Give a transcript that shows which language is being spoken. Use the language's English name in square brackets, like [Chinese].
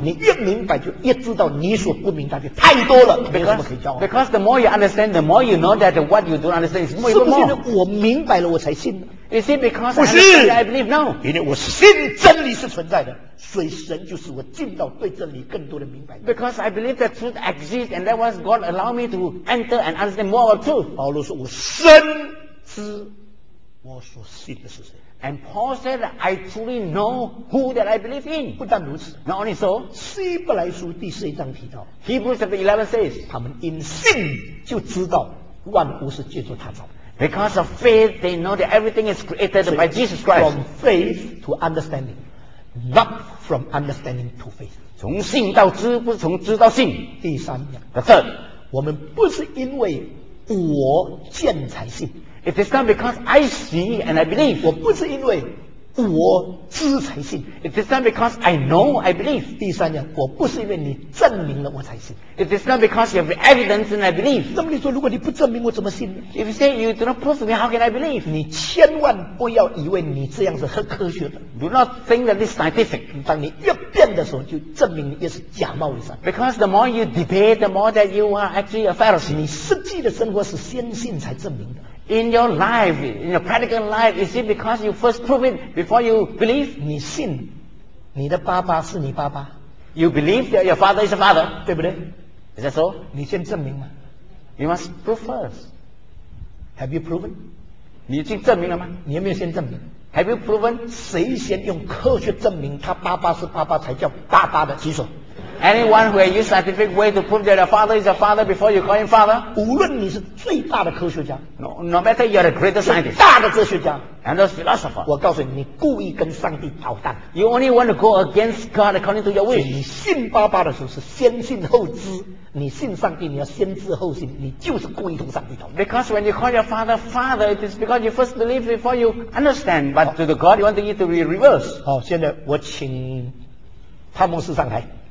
[Chinese] 你越明白就越知道你所不明白的太多了，没什么可以骄傲。 [English] Because the more you understand, the more you know that what you don't understand is more. [Chinese] 是不是我明白了我才信？ [English] Is it because I understand I believe? No. [Chinese] 因为我信真理是存在的，所以神就使我进到对真理更多的明白。 [English] Because I believe that truth exists, and that was God allow me to enter and understand more of truth. [Chinese] 保罗说：“我深知我所信的是谁。” [English] And Paul said, "I truly know who that I believe in." [Chinese] 不但如此 [English] ，Not only so. [Chinese] 希伯来书第四章提到 [English] ，Hebrews chapter 11 says, [Chinese] 他们因信就知道万物是借着他造。 [English] Because of faith, they know that everything is created by Jesus Christ. From faith to understanding, not from understanding to faith. [Chinese] 从信到知，不是从知到信。第三样 [English] ，The third, [Chinese] 我们不是因为我见才信。 [English] It is not because I see and I believe. [Chinese] 我不是因为我知才信。 [English] It is not because I know, I believe. [Chinese] 第三样，我不是因为你证明了我才信。 [English] It is not because you have evidence and I believe. [Chinese] 那么你说，如果你不证明，我怎么信呢？ [English] If you say you do not prove me, how can I believe? [Chinese] 你千万不要以为你这样是很科学的。 [English] Do not think that this is scientific. [Chinese] 当你越辩的时候，就证明你也是假冒伪善。 [English] Because the more you debate, the more that you are actually a Pharisee. [Chinese] 你实际的生活是先信才证明的。 [English] In your life, in your practical life, is it because you first prove it before you believe? [Chinese] 你信，你的爸爸是你爸爸。 [English] You believe that your father is a father, [Chinese] 对不对？ [English] Is that so? [Chinese] 你先证明嘛。 [English] You must prove first. Have you proven? [Chinese] 你已经证明了吗？你有没有先证明？ [English] Have you proven? [Chinese] 谁先用科学证明他爸爸是爸爸才叫爸爸的？举手。 [English] Anyone who has used scientific way to prove that a father is a father before you call him father? [Chinese] 无论你是最大的科学家， [English] no matter you are the greatest scientist, [Chinese] 大的哲学家， [English] and the philosopher, [Chinese] 我告诉你，你故意跟上帝捣蛋。 [English] You only want to go against God according to your wish. [Chinese] 你信爸爸的时候是先信后知，你信上帝你要先知后信，你就是故意跟上帝捣蛋。 [English] Because when you call your father father, it is because you first believe before you understand. But to the God, you want it to be reversed. [Chinese] 好，现在我请潘牧师上台。